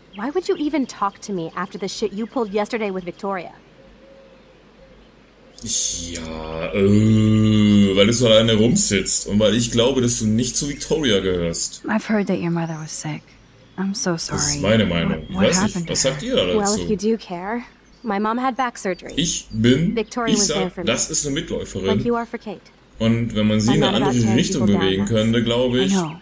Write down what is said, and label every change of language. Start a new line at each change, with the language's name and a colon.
English: Why would you even talk to me after the shit you pulled yesterday with Victoria?
German: Ja, weil du so alleine rumsitzt und weil ich glaube, dass du nicht zu Victoria gehörst.
English: I've heard that your mother was sick. I'm so sorry.
German: Das ist meine Meinung. Was sagt ihr dazu?
English: Well, if you do care, my mom had back surgery.
German: Ich bin, Victoria ich sag, das ist eine Mitläuferin. Und wenn man sie in eine andere Richtung bewegen könnte, glaube ich...